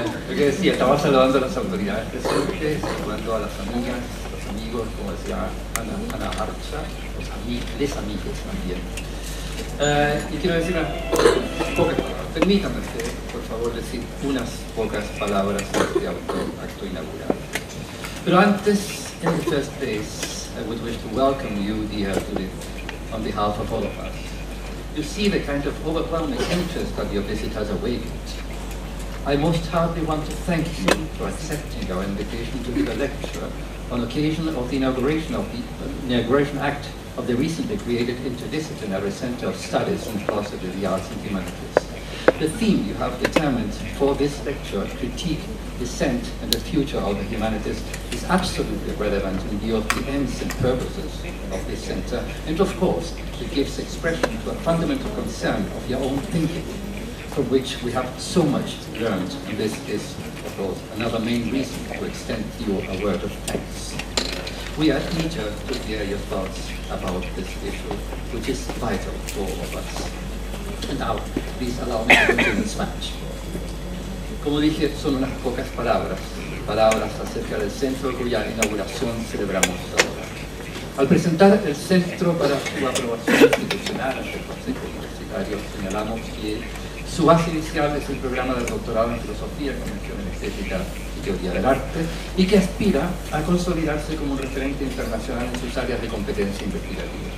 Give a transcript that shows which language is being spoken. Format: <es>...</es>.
<es>Lo que decía, estaba saludando a las autoridades presentes, saludando a las amigas, los amigos, como decía Ana Archa, les amigos también. Y quiero decir unas pocas palabras. Permítanme, por favor, decir unas pocas palabras de este acto inaugural. Pero antes, en este espacio,</es> <en>I would wish to welcome you, dear, to the, on behalf of all of us. You see the kind of overwhelming interest that your visit has awakened. I most heartily want to thank you for accepting our invitation to give a lecture on occasion of the inauguration of the Inauguration Act of the recently created Interdisciplinary Center of Studies in Philosophy, the Arts and Humanities. The theme you have determined for this lecture, Critique, Dissent, and the Future of the Humanities, is absolutely relevant in view of the ends and purposes of this center, and of course, it gives expression to a fundamental concern of your own thinking, from which we have so much learned, and this is, of course, another main reason to extend you a word of thanks. We are eager to hear your thoughts about this issue, which is vital to all of us. And now, please allow me to continue in Spanish.</en> <es>Como dije, son unas pocas palabras, palabras acerca del centro cuya inauguración celebramos ahora. Al presentar el centro para su aprobación institucional ante el Consejo Universitario, señalamos que su base inicial es el programa de doctorado en filosofía, convención en estética y teoría del arte, y que aspira a consolidarse como un referente internacional en sus áreas de competencia investigativa.</es>